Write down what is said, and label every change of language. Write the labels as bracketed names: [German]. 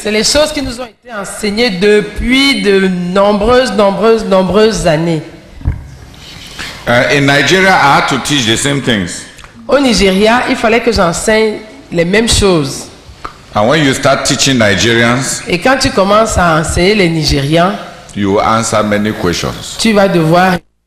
[French] C'est les choses qui nous ont été enseignées depuis de nombreuses années. [English] In Nigeria, I had to teach the same things. [French] Au Nigeria, il fallait que j'enseigne les mêmes choses. [English] And when you start teaching Nigerians, [French] et quand tu commences à enseigner les Nigériens, [English] you will answer many questions. [French] Tu vas devoir...